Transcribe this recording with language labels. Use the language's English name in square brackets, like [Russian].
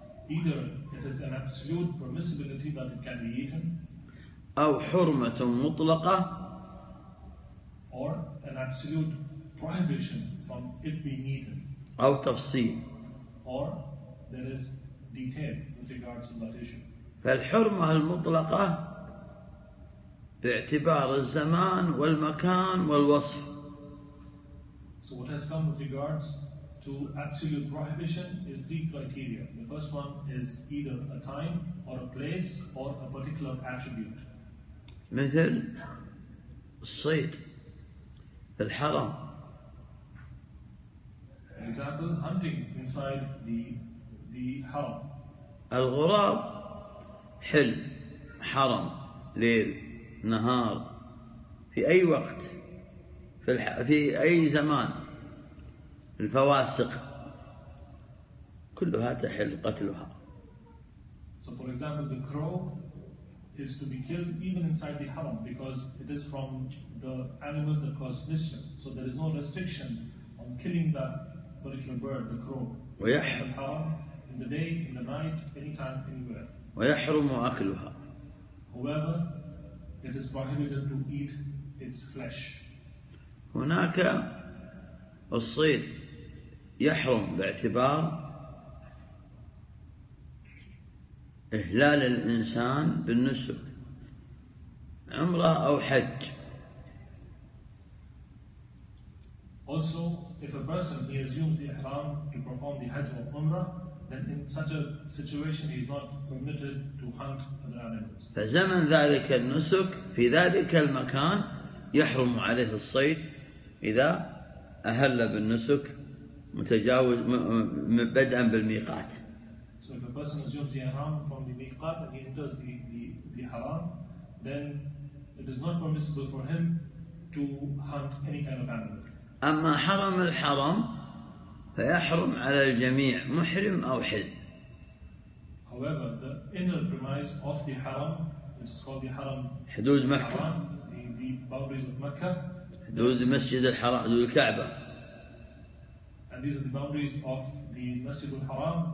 [English] Either it is an absolute permissibility that it can be eaten. [Arabic] أو حرمة مطلقة. [English] Or an absolute prohibition from it being eaten. [Arabic] أو تفصيل. [English] Or there is detail with regards to that issue. [Arabic] فالحرمة المطلقة باعتبار الزمان والمكان والوصف. [English] So what has come with regards to absolute prohibition is three criteria. The first one is either a time or a place or a particular attribute. [Arabic] مثل الصيد في الحرم. [English] For example, hunting inside the haram. [Arabic] الغراب حل حرم ليل نهار في أي وقت في أي زمان. الفواسق كلها تحل قتلها. [English] So for example, the crow is to be killed even inside the haram because it is from the animals that cause mischief. So there is no restriction on killing that particular bird, the crow. [Arabic] ويحرم [English] the haram in the day, in the night, anytime, anywhere. [Arabic] ويحرم أكلها. [English] However, it is prohibited to eat its flesh. [Arabic] هناك الصيد يحرم باعتبار إهلال الإنسان بالنسك عمرة أو حج. [English] Also, if a person he assumes the ihram to perform the hajj or umrah, then in such a situation he is not permitted to hunt other animals. [Arabic] فزمن ذلك النسك في ذلك المكان يحرم عليه الصيد إذا أهل بالنسك متجاوز بدءا بالميقات. [English] So if a person assumes the haram from the miqat and he enters the haram, then it is not permissible for him to hunt any kind of animal. [Arabic] أما حرم الحرم فيحرم على الجميع محرم أو حل. [English] However, the inner premise of the haram, which is called the haram, [Arabic] حدود مكة. [English] The boundaries of Mecca. [Arabic] حدود المسجد الحرام، حدود الكعبة. [English] And these are the boundaries of the Masjid al-Haram.